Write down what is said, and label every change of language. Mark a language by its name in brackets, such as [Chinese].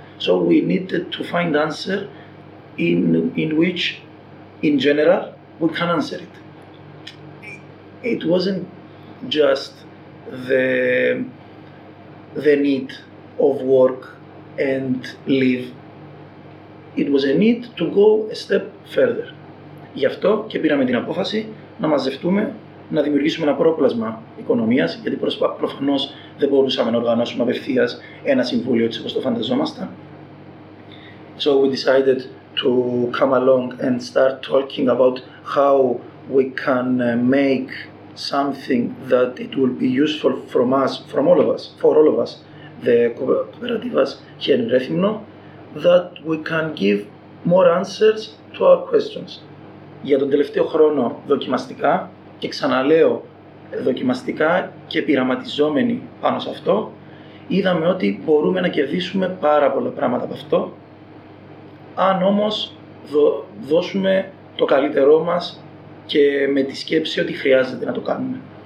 [English] So we needed to find answer in which, in general, we can answer it. It wasn't just the need of work and live. It was a need to go a step further. [Greek] Γι' αυτό και πήραμε την απόφαση να μαζευτούμε, να δημιουργήσουμε ένα πρόπλασμα οικονομίας, γιατί προφανώς δεν μπορούσαμε να οργανώσουμε απευθείας ένα συμβούλιο όπως το φανταζόμασταν. [English] So we decided to come along and start talking about how we can make something that it will be useful from us, from all of us, for all of us, the cooperativas here in Rethymno, that we can give more answers to our questions. [Greek] Για τον τελευταίο χρόνο δοκιμαστικά, και ξαναλέω δοκιμαστικά και πειραματιζόμενοι πάνω σε αυτό, είδαμε ότι μπορούμε να κερδίσουμε πάρα πολλά πράγματα από αυτό, αν όμως δώσουμε το καλύτερό μας και με τη σκέψη ότι χρειάζεται να το κάνουμε.